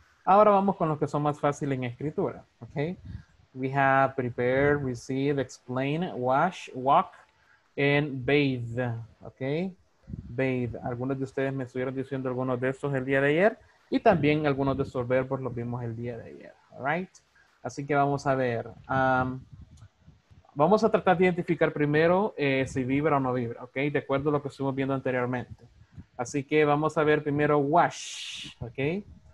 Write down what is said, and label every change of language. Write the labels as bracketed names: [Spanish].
[Spanish] Ahora vamos con los que son más fáciles en escritura, okay? [English] We have prepare, receive, explain, wash, walk, and bathe, okay? Bathe. [Spanish] Algunos de ustedes me estuvieron diciendo algunos de estos el día de ayer y también algunos de estos verbos los vimos el día de ayer. [English] All right? [Spanish] Así que vamos a ver. Vamos a tratar de identificar primero si vibra o no vibra, ¿ok? De acuerdo a lo que estuvimos viendo anteriormente. Así que vamos a ver primero wash, ¿ok?